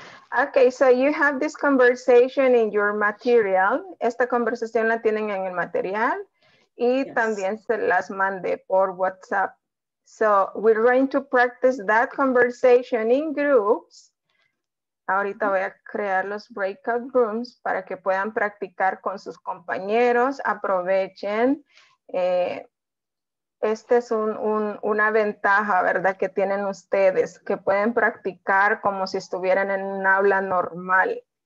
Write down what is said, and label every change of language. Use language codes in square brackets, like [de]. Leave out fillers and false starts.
[en] Okay, so you have this conversation in your material. [es] Esta conversación la tienen en el material. Y yes, también se las mandé por WhatsApp. [en] So we're going to practice that conversation in groups. [es] Ahorita voy a crear los breakout rooms para que puedan practicar con sus compañeros. Aprovechen. Este es una ventaja, ¿verdad?, que tienen ustedes, que pueden practicar como si estuvieran en un aula normal.